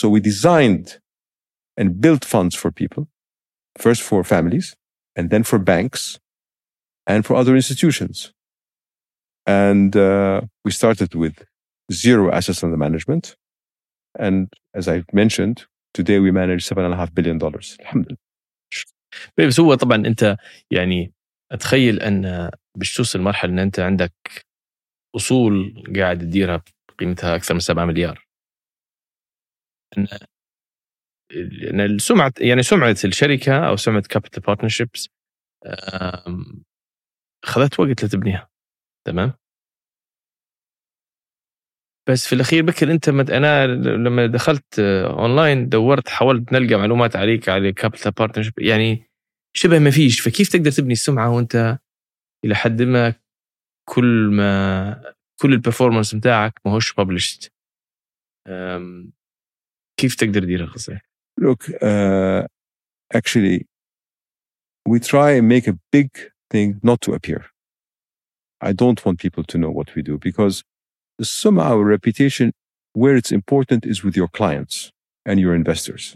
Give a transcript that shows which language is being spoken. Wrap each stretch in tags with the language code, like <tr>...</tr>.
<en>So we designed and built funds for people, first for families, and then for banks, and for other institutions. And we started with zero assets under management, and as I mentioned. Today we manage $7.5 billion. Alhamdulillah.</en> <ar>بس هو طبعا انت يعني اتخيل ان بتوصل مرحله ان انت عندك اصول قاعد تديرها بقيمتها اكثر من 7 مليار. ان سمعة الشركة او سمعة Capital Partnerships خذت وقت لتبنيها. تمام؟ بس في الأخير بكر أنت أنا لما دخلت أونلاين دورت حاولت نلقى معلومات عليك على Capital Partnership يعني شبه ما فيش فكيف تقدر تبني السمعة وأنت إلى حد ما كل البرفورمانس متاعك ما هوش ببلشت كيف تقدر تديرها خصي</ar> <en>Look actually we try and make a big thing not to appear I don't want people to know what we do because The sum of our reputation, where it's important, is with your clients and your investors.</en>